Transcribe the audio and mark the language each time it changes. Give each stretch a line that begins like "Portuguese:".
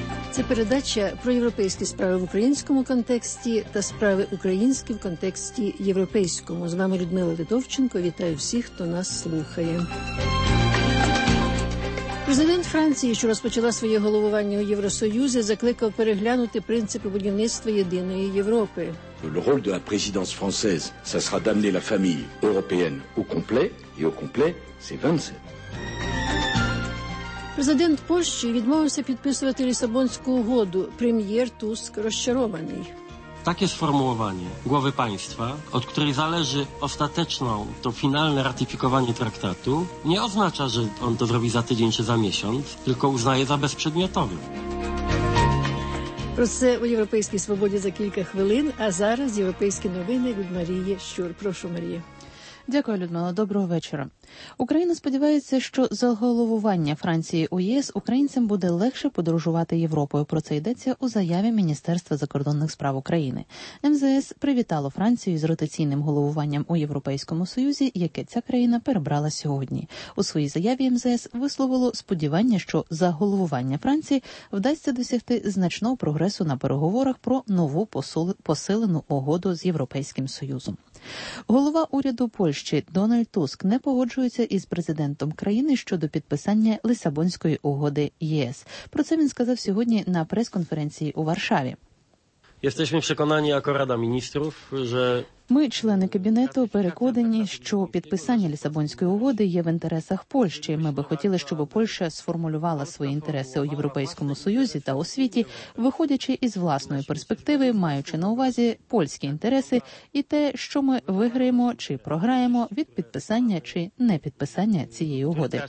Ukrainian: Це передача про європейські справи в українському контексті та справи українські в контексті європейському. З вами Людмила Литовченко. Вітаю всіх, хто нас слухає. Президент Франції, що розпочала своє головування у Євросоюзі, закликав переглянути принципи будівництва єдиної Європи.
French: Le rôle de la présidence française, ça sera d'amener la famille européenne au complet, et au complet, c'est 27.
Ukrainian: Президент Польщі відмовився підписувати Лісабонську угоду. Прем'єр Туск розчарований.
Polish: Takie sformułowanie głowy państwa, od której zależy ostateczną, to finalne ratyfikowanie traktatu, nie oznacza, że on to zrobi za tydzień czy za miesiąc, tylko uznaje za bezprzedmiotowy.
Ukrainian: Про це у Європейській свободі за кілька хвилин, а зараз європейські новини від Марії Щур. Прошу, Марія. Дякую, Людмила. Доброго вечора. Україна сподівається, що за головування Франції у ЄС українцям буде легше подорожувати Європою. Про це йдеться у заяві Міністерства закордонних справ України. МЗС привітало Францію з ротаційним головуванням у Європейському Союзі, яке ця країна перебрала сьогодні. У своїй заяві МЗС висловило сподівання, що за головування Франції вдасться досягти значного прогресу на переговорах про нову посилену угоду з Європейським Союзом. Голова уряду Польщі Дональд Туск не погоджується із президентом країни щодо підписання Лісабонської угоди ЄС. Про це він сказав сьогодні на прес-конференції у Варшаві.
Polish: Jesteśmy przekonani jako Rada Ministrów, że
Ukrainian: ми, члени кабінету, переконані, що підписання Лісабонської угоди є в інтересах Польщі. Ми би хотіли, щоб Польща сформулювала свої інтереси у Європейському Союзі та у світі, виходячи із власної перспективи, маючи на увазі польські інтереси і те, що ми виграємо чи програємо від підписання чи непідписання цієї угоди.